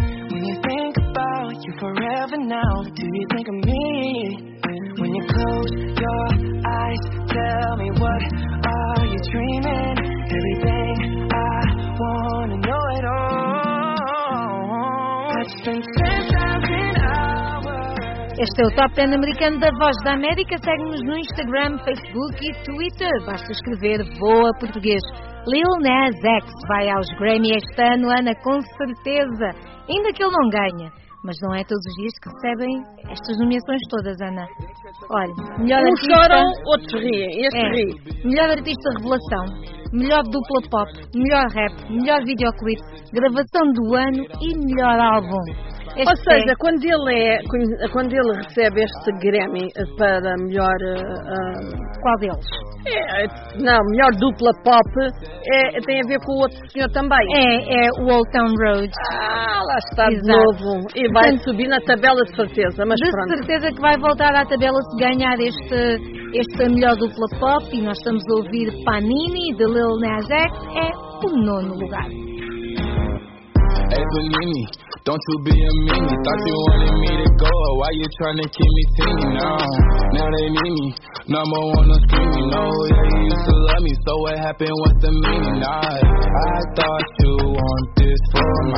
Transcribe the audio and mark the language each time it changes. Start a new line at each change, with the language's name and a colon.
English: When you think about you forever now, do you think of me? When you close your eyes, tell me what are you dreaming? Everything I wanna know it all. I've spent 10,000 hours.
Portuguese: Este é o Top 10 americano da Voz da América. Segue-nos no Instagram, Facebook e Twitter. Basta escrever Voa Português. Lil Nas X vai aos Grammy este ano, Ana, com certeza. Ainda que ele não ganhe. Mas não é todos os dias que recebem estas nomeações todas, Ana. Olha, melhor um artista... Uns choram, outros riem. Este ri. Melhor artista revelação, melhor dupla pop, melhor rap, melhor videoclipe, gravação do ano e melhor álbum. Este Quando ele recebe este Grammy para melhor... Qual deles? Melhor dupla pop tem a ver com o outro senhor também. É o Old Town Road. Ah, lá está. Exato. De novo. E vai subir na tabela, de certeza. Mas de pronto. Certeza que vai voltar à tabela se ganhar este melhor dupla pop. E nós estamos a ouvir Panini, de Lil Nas X, é o nono lugar.
English: Hey, Panini. Don't you be a meanie, thought you wanted me to go, or why you tryna keep me teeny, now they need me, number one on screen, you know, yeah, you used to love me, so what happened, what's the meaning, I thought you want this for